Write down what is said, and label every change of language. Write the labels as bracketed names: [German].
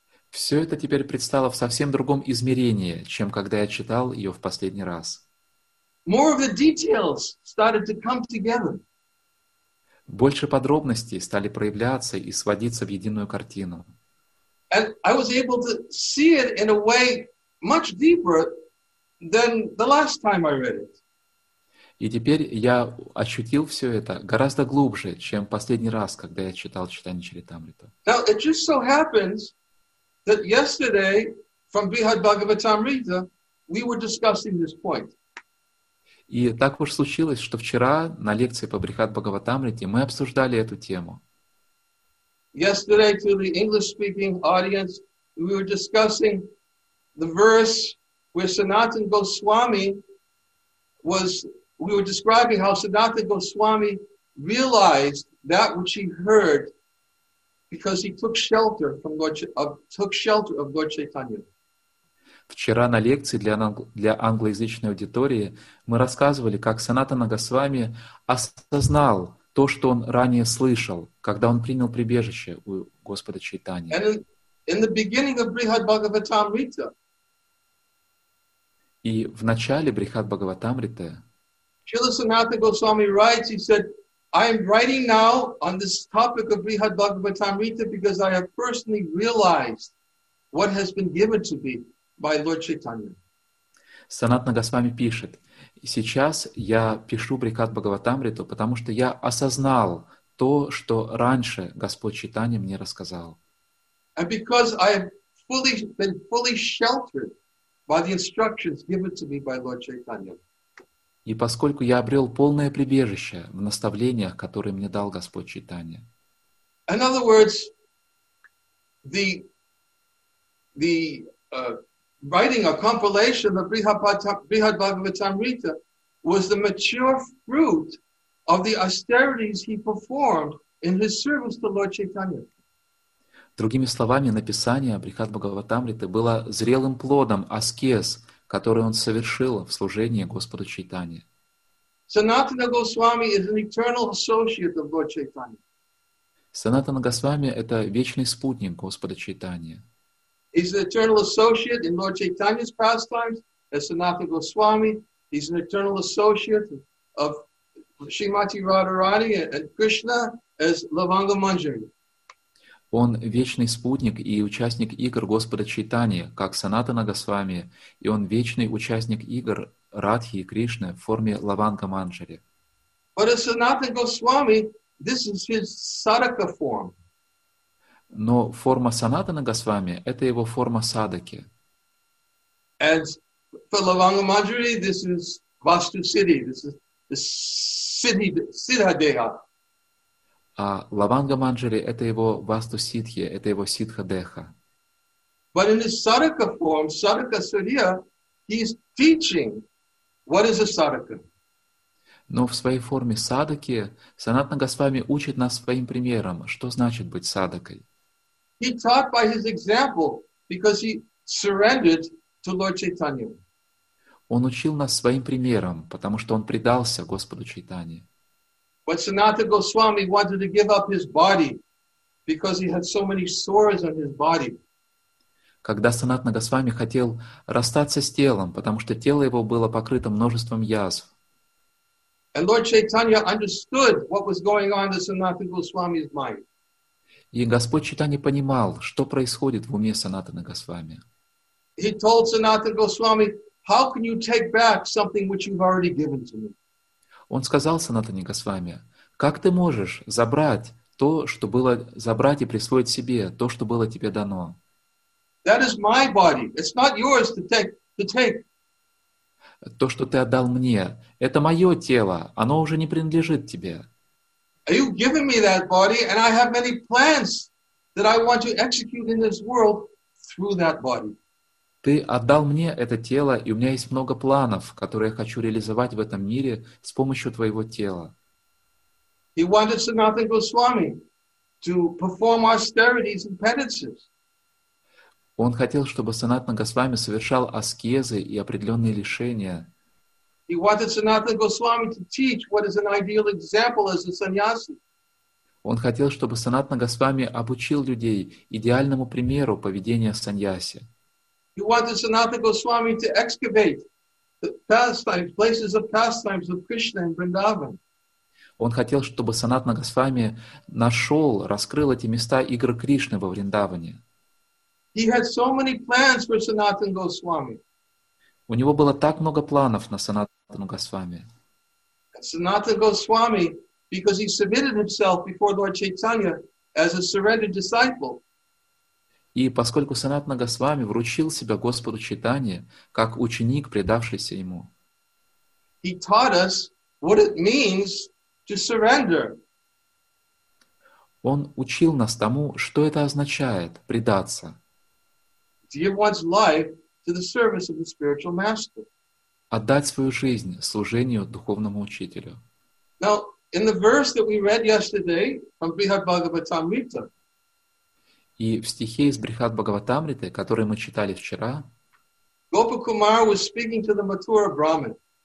[Russian] Все это теперь предстало в совсем другом измерении, чем когда я читал ее в последний раз. [English] More of the details started to come together. [Russian] Больше подробностей стали проявляться и сводиться в единую картину. [English] And I was able to see it in a way much deeper than the last time I read it. [Russian] И теперь я ощутил все это гораздо глубже, чем последний раз, когда я читал Чайтанья Чаритамриту. [English] Now it just so happens that yesterday, from Brihad Bhagavatamrita, we were discussing this point. [Russian] И так уж случилось, что вчера на лекции по Брихад Бхагаватамрите мы обсуждали эту тему. [English] Yesterday, to the English-speaking audience, we were discussing the verse where Sanatana Goswami was, we were describing how Sanatana Goswami realized that which he heard because he took shelter from Lord, took shelter of Lord Chaitanya. [Russian] Вчера на лекции для англоязычной аудитории мы рассказывали, как Санатана Госвами осознал то, что он ранее слышал, когда он принял прибежище у Господа Чайтаньи. [English] And in the beginning of Brihad Bhagavatamrita. [Russian] И в начале Брихад Бхагаватамриты. [English] Srila Sanatana Goswami writes, he said, I am writing now on this topic of Brihad Bhagavatamrita because I have personally realized what has been given to me by Lord Chaitanya. [Russian] Санатана Госвами пишет, сейчас я пишу Брихад Бхагаватамриту, потому что я осознал то, что раньше Господь Чайтанья мне рассказал. [English] And because I have fully been fully sheltered by the instructions given to me by Lord Chaitanya. [Russian] И поскольку я обрел полное прибежище в наставлениях, которые мне дал Господь Чайтанья. [English] In other words, the writing a compilation of Brihad Bhagavatamrita was the mature fruit of the austerities he performed in his service to Lord Chaitanya. [Russian] Другими словами, написание Брихад Бхагаватамриты было зрелым плодом аскез, который он совершил в служении Господу Чайтанье. [English] Sanatana Goswami is an eternal associate of Lord Chaitanya. [Russian] Санатана Госвами — это вечный спутник Господа Чайтанья. [English] He's an eternal associate in Lord Chaitanya's pastimes as Sanatana Goswami. He's an eternal associate of Srimati Radharani and Krishna as Lavanga Manjari. [Russian] Он вечный спутник и участник игр Господа Чайтани, как Санатана Госвами, и он вечный участник игр Радхи и Кришны в форме Лаванга Манджари. [English] But as Sanatana Goswami, this is his sadaka form. [Russian] Но форма Санатана Госвами — это его форма садаки. [English] As for Lavanga Manjari, this is Vastu City, this is the city, Siddhadeha. [Russian] А Лаванга Манджари — это его Васту Сидхи, это его Сидха Деха. [English] But in his sadaka form, sadaka surya, he's teaching what is a sadaka. [Russian] Но в своей форме садаки Санатана Госвами учит нас своим примером, что значит быть садакой. [English] He taught by his example, because he surrendered to Lord Chaitanya. [Russian] Он учил нас своим примером, потому что он предался Господу Чайтанье. [English] But Sanatana Goswami wanted to give up his body because he had so many sores on his body. [Russian] Когда Санатана Госвами хотел расстаться с телом, потому что тело его было покрыто множеством язв. [English] And Lord Chaitanya understood what was going on in Sanatana Goswami's mind. [Russian] И Господь Чайтанья понимал, что происходит в уме Санатана Госвами. [English] He told Sanatana Goswami, "How can you take back something which you've already given to me?" [Russian] Он сказал Санатане Госвами, как ты можешь забрать то, что было, забрать и присвоить себе то, что было тебе дано? [English] That is my body. It's not yours to take. [Russian] То, что ты отдал мне, это мое тело, оно уже не принадлежит тебе. [English] You've given me that body, and I have many plans that I want to execute in this world through that body. [Russian] Ты отдал мне это тело, и у меня есть много планов, которые я хочу реализовать в этом мире с помощью твоего тела. [English] He wanted Sanatana Goswami to perform austerities and penances. [Russian] Он хотел, чтобы Санатана Госвами совершал аскезы и определенные лишения. [English] He wanted Sanatana Goswami to teach what is an ideal example as a sannyasi. [Russian] Он хотел, чтобы Санатана Госвами обучил людей идеальному примеру поведения саньяси. [English] He wanted Sanatana Goswami to excavate the pastimes, places of pastimes of Krishna and Vrindavan. [Russian] Он хотел, чтобы Санатана Госвами нашел, раскрыл эти места игр Кришны во Вриндаване. [English] He had so many plans for Sanatana Goswami. [Russian] У него было так много планов на Санатану Госвами. [English] Sanatana Goswami, because he submitted himself before Lord Chaitanya as a surrendered disciple, [Russian] и поскольку Санатана Госвами вручил себя Господу Чайтанье, как ученик, предавшийся Ему, [English] He taught us what it means to surrender. [Russian] Он учил нас тому, что это означает — предаться. [English] To give one's life to the service of the spiritual master. [Russian] Отдать свою жизнь служению духовному учителю. [English] Now, in the verse that we read yesterday from Brihad Bhagavatamrita, [Russian] и в стихе из Брихат Бхагаватамриты, который мы читали вчера, [English] Gopakumar was speaking to the Mathura Brahmin.